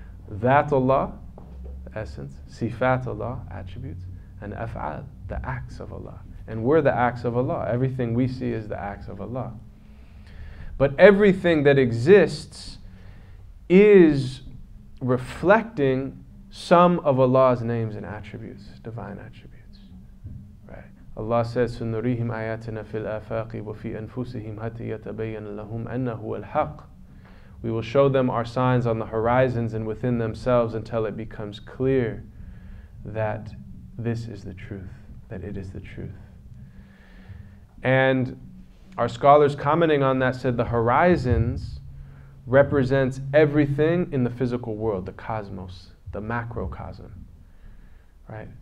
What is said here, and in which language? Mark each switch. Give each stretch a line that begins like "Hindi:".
English: That Allah, the essence, sifat Allah, attributes, and af'al, the acts of Allah. And we're the acts of Allah. Everything we see is the acts of Allah. But everything that exists is reflecting some of Allah's names and attributes, divine attributes. Allah says,
Arabic: سُنُرِيهِمْ آيَاتِنَا فِي الْآفَاقِ وَفِي أَنفُسِهِمْ حَتَّى يَتَبَيَّنَ لَهُمْ أَنَّهُ الْحَقِّ.
English: We will show them our signs on the horizons and within themselves until it becomes clear that this is the truth, that it is the truth. And our scholars commenting on that said the horizons represents everything in the physical world, the cosmos, the macrocosm, right?